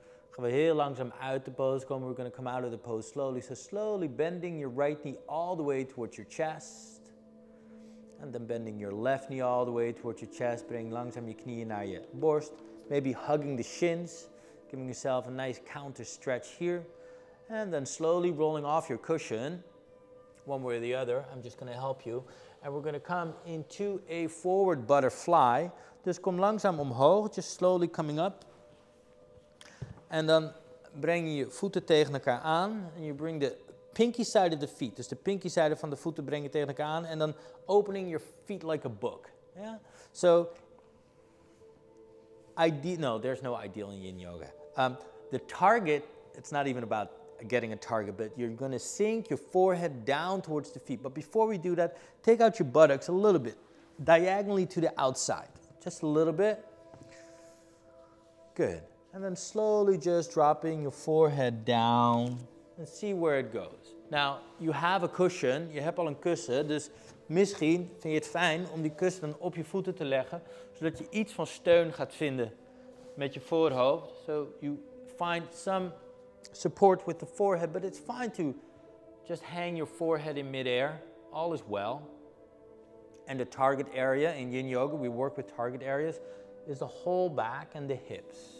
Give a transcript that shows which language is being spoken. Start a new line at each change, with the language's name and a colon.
Dutch: Gaan we heel langzaam uit de pose komen.
English: We're going to come out of the pose slowly. So slowly bending your right knee all the way towards your chest. And then bending your left knee all the way towards your chest.
Dutch: Bring langzaam je knieën naar je borst.
English: Maybe hugging the shins. Giving yourself a nice counter stretch here. And then slowly rolling off your cushion. One way or the other. I'm just going to help you. And we're going to come into a forward butterfly.
Dutch: Dus kom langzaam omhoog,
English: just slowly coming up.
Dutch: En dan breng je je voeten tegen elkaar aan.
English: And you bring the pinky side of the feet.
Dutch: Dus de
English: pinky side
Dutch: van de voeten breng je tegen elkaar aan. En dan
English: opening your feet like a book. Yeah? So, there's no ideal in yin yoga. The target, it's not even about getting a target, but you're going to sink your forehead down towards the feet. But before we do that, take out your buttocks a little bit, diagonally to the outside. Just a little bit. Good. And then slowly just dropping your forehead down and see where it goes. Now, you have a cushion.
Dutch: Je hebt al een kussen. Dus misschien vind je het fijn om die kussen dan op je voeten te leggen. Zodat je iets van steun gaat vinden met je voorhoofd.
English: So you find some support with the forehead. But it's fine to just hang your forehead in midair. All is well. And the target area in yin yoga, we work with target areas, is the whole back and the hips.